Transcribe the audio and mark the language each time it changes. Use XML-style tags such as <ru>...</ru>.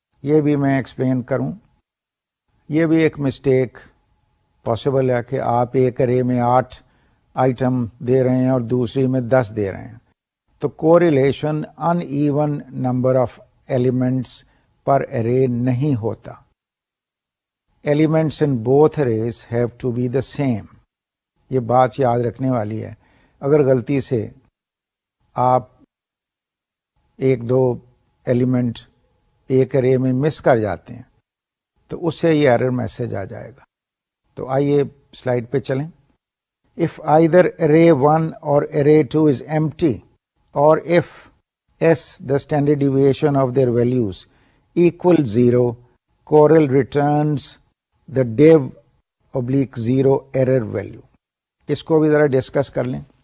<ur>یہ بھی میں ایکسپلین کروں، یہ بھی ایک مسٹیک پاسبل ہے کہ آپ ایک ارے میں 8 آئٹم دے رہے ہیں اور دوسری میں 10 دے رہے ہیں. تو correlation</ur> <en>in even number of elements</en> <ur>پر ارے نہیں ہوتا.</ur> <en>Elements in both arrays have to be the same.</en> <ur>یہ بات یاد رکھنے والی ہے. اگر غلطی سے آپ ایک دو ایلیمنٹ ایک ارے میں مس کر جاتے ہیں تو اس سے یہ ایرر میسج آ جائے گا. تو آئیے سلائیڈ پہ چلیں.</ur> <en>If either array 1 or array 2 is empty or if s, the standard deviation of their values, equals 0, Corel returns the dev oblique 0 error value.</en> <ur>اس کو بھی ذرا ڈسکس کر لیں.</ur>